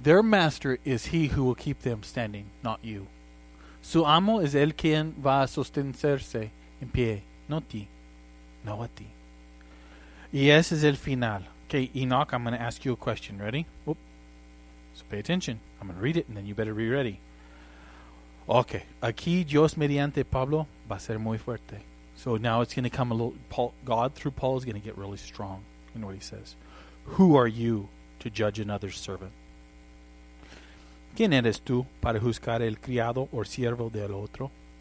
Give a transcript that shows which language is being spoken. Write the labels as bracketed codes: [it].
[en] Their master is he who will keep them standing, not you. [es] Su amo es el quien va a sostenerse en pie, no ti, no a ti. Y ese es el final. [en] Okay, Enoch, I'm going to ask you a question. Ready? Oop. So pay attention. I'm going to read it, and then you better be ready. Okay. [es] Aquí Dios mediante Pablo va a ser muy fuerte. [en] So now it's going to come a little... God through Paul is going to get really strong in what he says. Who are you to judge another's servant? [es] ¿Quién eres tú para juzgar el criado o siervo del otro?